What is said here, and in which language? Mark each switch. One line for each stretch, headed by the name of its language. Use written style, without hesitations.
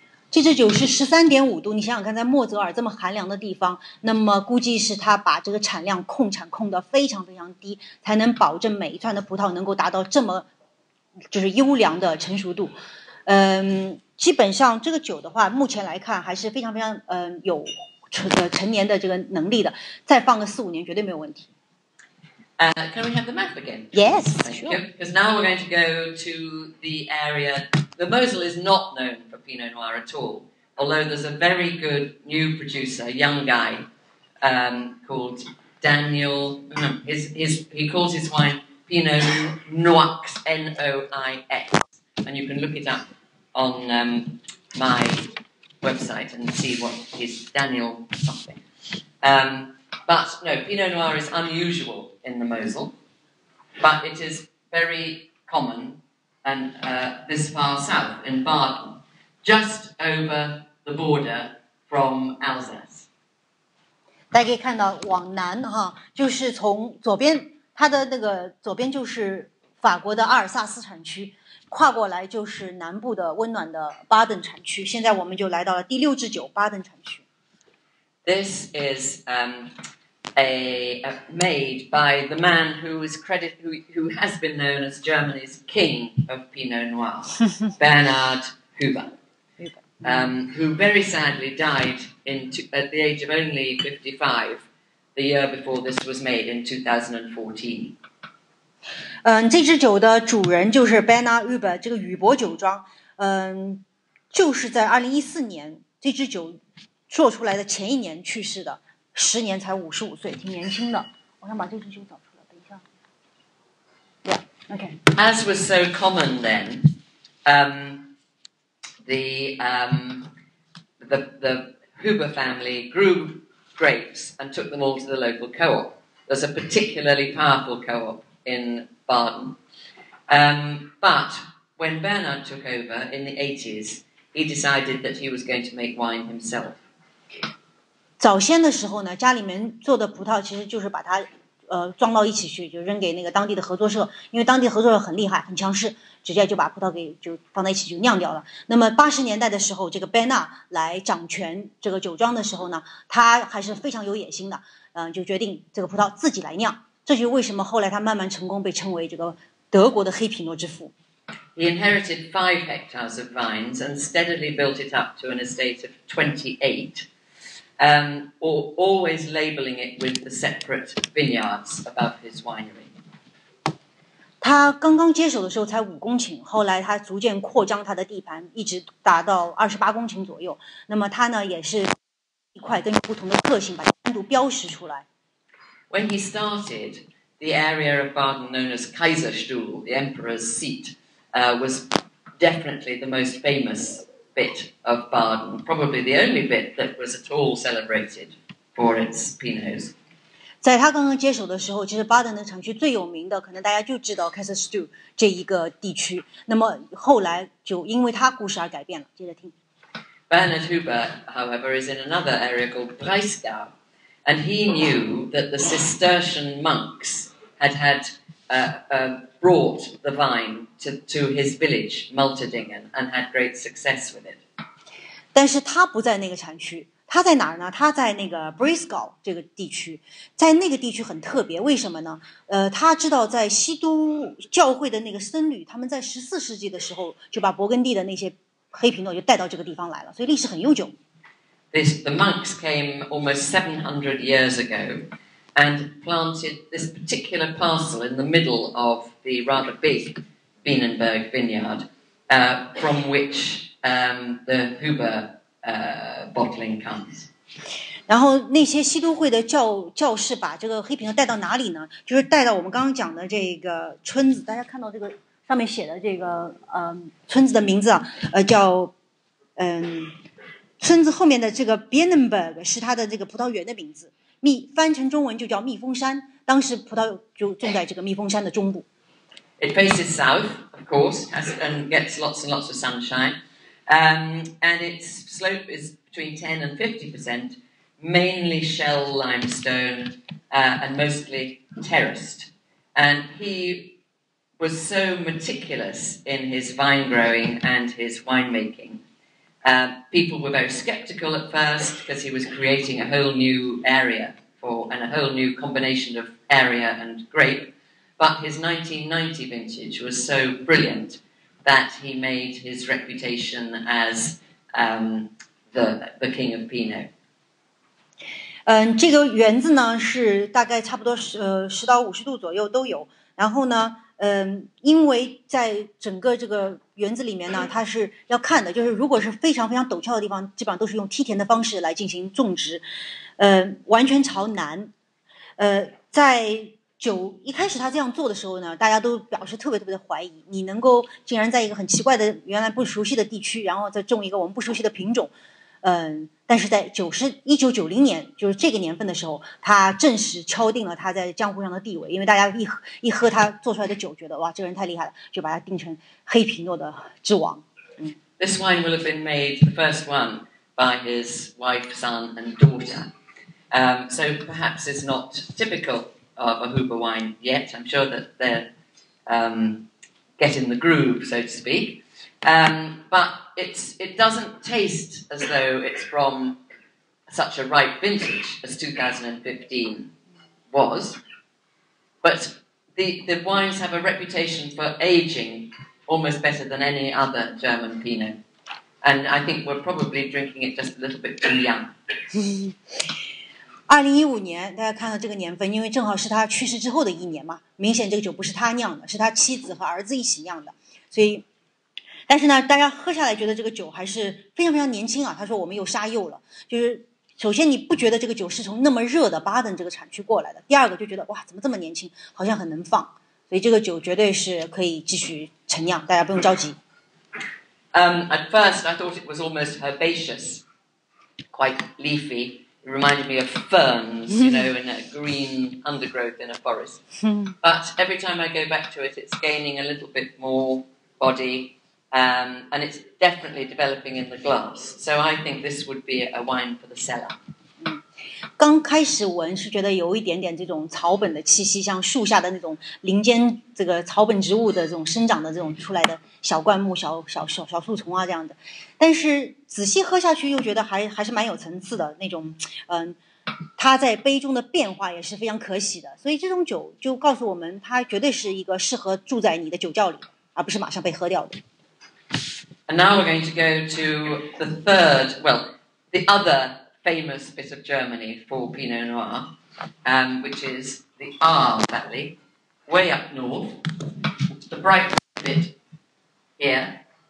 Chinese: 这支酒是13.5度，你想想看，在莫泽尔这么寒凉的地方，那么估计是他把这个产量控产控得非常非常低，才能保证每一串的葡萄能够达到这么就是优良的成熟度。基本上这个酒的话，目前来看还是非常非常有陈年的这个能力的，再放个4-5年绝对没有问题。
English: Can we have the map again? Yes, sure. Because now we're going to go to the area. The Mosel is not known for Pinot Noir at all, although there's a very good new producer, young guy, called Daniel. He calls his wine Pinot Noix, N-O-I-X. And you can look it up on my website and see what his Daniel something. But no, Pinot Noir is unusual. In the Mosel, but it is very common and this far south in Baden, just over the border from Alsace.
Chinese: 大家可以看到往南哈，就是从左边，它的那个左边就是法国的阿尔萨斯产区，跨过来就是南部的温暖的巴登产区。现在我们就来到了第六支酒巴登产区。
English: This is made by the man who is credited, who has been known as Germany's king of Pinot Noir, Bernard Huber, who very sadly died at the age of only 55, the year before this was made in 2014.
Chinese: 这支酒的主人就是 Bernard Huber, 这个雨伯酒庄，就是在2014年这支酒做出来的前一年去世的。十年才55岁，挺年轻的。我想把这支酒找出来，等一下。
English: Yeah, okay. As was so common then, the Huber family grew grapes and took them all to the local co-op. There's a particularly powerful co-op in Baden. But when Bernard took over in the 80s, he decided that he was going to make wine himself.
Chinese: 早先的时候呢，家里面做的葡萄其实就是把它，装到一起去，就扔给那个当地的合作社，因为当地合作社很厉害、很强势，直接就把葡萄给就放在一起就酿掉了。那么80年代的时候，这个 Bernard 来掌权这个酒庄的时候呢，他还是非常有野心的，就决定这个葡萄自己来酿。这就是为什么后来他慢慢成功，被称为这个德国的黑皮诺之父。
English: He inherited 5 hectares of vines and steadily built it up to an estate of 28. Or always labeling it with the separate vineyards above his winery.
Chinese: 他刚刚接手的时候才5公顷，后来他逐渐扩张他的地盘，一直达到28公顷左右。那么他呢，也是一块根据不同的特性把单独标识出来。
English: When he started, the area of Baden known as Kaiserstuhl, the emperor's seat, was definitely the most famous. Bit of Baden, probably the only bit that was at all celebrated for its Pinots.
Chinese: 在他刚刚接手的时候，其实巴登的产区最有名的，可能大家就知道 Kaiserstuhl 这一个地区。那么后来就因为他故事而改变了。接着听。
English: Bernard Huber, however, is in another area called Breisgau, and he knew that the Cistercian monks had brought the vine to his village, Malterdingen, and had great success with it.
Chinese: 但是他不在那个产区，他在哪儿呢？他在那个 Breisgau 这个地区，在那个地区很特别，为什么呢？他知道在西都教会的那个僧侣，他们在14世纪的时候就把勃艮第的那些黑皮诺就带到这个地方来了，所以历史很悠久。
English: the monks came almost 700 years ago and planted this particular parcel in the middle of the rather big Bienenberg vineyard, from which the Huber bottling comes.
Chinese: 然后那些西都会的 教士把这个黑瓶带到哪里呢？就是带到我们刚刚讲的这个村子，大家看到这个上面写的这个村子的名字啊，叫村子后面的这个 Bienenberg 是它的这个葡萄园的名字，翻成中文就叫蜜蜂山。当时葡萄就种在这个蜜蜂山的中部。
English: It faces south, of course, and gets lots and lots of sunshine, and its slope is between 10% and 50%. Mainly shell limestone, and mostly terraced. And he was so meticulous in his vine growing and his winemaking. People were very skeptical at first because he was creating a whole new area and a whole new combination of area and grape. But his 1990 vintage was so brilliant that he made his reputation as the king of Pinot.
Chinese: 这个园子呢是大概差不多十到五十度左右都有，然后呢因为在整个这个园子里面呢，它是要看的，就是如果是非常非常陡峭的地方，基本上都是用梯田的方式来进行种植，完全朝南。在一开始他这样做的时候呢，大家都表示特别特别的怀疑，你能够竟然在一个很奇怪的原来不熟悉的地区，然后再种一个我们不熟悉的品种。但是在1990年，就是这个年份的时候，他正式敲定了他在江湖上的地位，因为大家一喝他做出来的酒，觉得哇，这个人太厉害了，就把他定成黑皮诺的之王。
English: This wine will have been made, the first one, by his wife, son, and daughter. So perhaps it's not typical of a Huber wine yet. I'm sure that they're getting the groove, so to speak. But it doesn't taste as though it's from such a ripe vintage as 2015 was. But the wines have a reputation for aging almost better than any other German Pinot. And I think we're probably drinking it just a little bit too young.
Chinese: 2015年，大家看到这个年份，因为正好是他去世之后的一年嘛，明显这个酒不是他酿的，是他妻子和儿子一起酿的，所以。但是呢，大家喝下来觉得这个酒还是非常非常年轻啊。他说我们又杀幼了，就是首先你不觉得这个酒是从那么热的巴登这个产区过来的，第二个就觉得哇，怎么这么年轻，好像很能放，所以这个酒绝对是可以继续陈酿，大家不用着急。
English: At first I thought it was almost herbaceous, quite leafy. It reminded me of ferns, you know, in a green undergrowth in a forest. But every time I go back to it, it's gaining a little bit more body. And it's definitely developing in the glass. So I think this would be a wine for the cellar.
Chinese: 刚开始闻是觉得有一点点这种草本的气息，像树下的那种林间这个草本植物的这种生长的这种出来的小灌木、小树丛啊这样的。但是仔细喝下去又觉得还是蛮有层次的那种，它在杯中的变化也是非常可喜的。所以这种酒就告诉我们，它绝对是一个适合住在你的酒窖里，而不是马上被喝掉的。
English: And now we're going to go to the third, well, the other famous bit of Germany for Pinot Noir, which is the Ahr Valley, way up north, the bright bit here.